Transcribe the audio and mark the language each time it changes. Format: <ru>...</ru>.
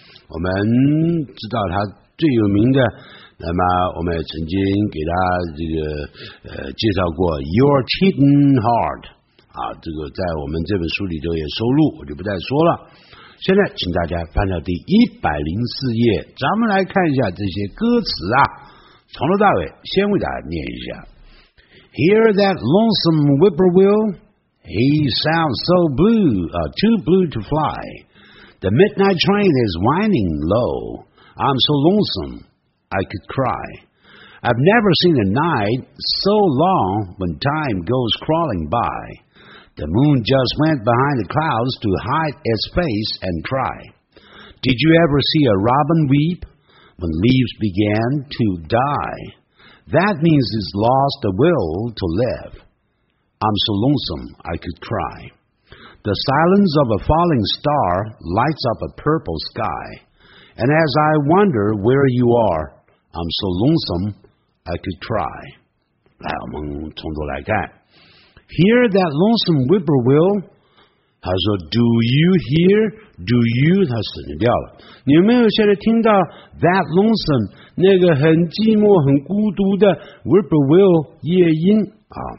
<zh>我们知道他最有名的，那么我们也曾经给他这个介绍过 Your Cheating Heart 啊，这个在我们这本书里头也收录，我就不再说了。现在请大家翻到第104页，咱们来看一下这些歌词啊，从头到尾先为大家念一下。</zh> <en>Hear that lonesome whippoorwill, He sounds so blue, too blue to fly. The midnight train is winding low, I'm so lonesome, I could cry. I've never seen a night so long when time goes crawling by. The moon just went behind the clouds to hide its face and cry. Did you ever see a robin weep? When leaves began to die, that means it's lost the will to live. I'm so lonesome I could cry. The silence of a falling star lights up a purple sky. And as I wonder where you are, I'm so lonesome I could cry.</en> <zh>来，我们从头来看。</zh> <en>Hear that lonesome whippoorwill?</en> <zh>他说</zh> <en>Do you hear? Do you?</en> <zh>他省掉了。你有没有现在听到</zh> <en>That lonesome</en> <zh>那个很寂寞很孤独的 Whippoorwill 夜莺啊？</zh>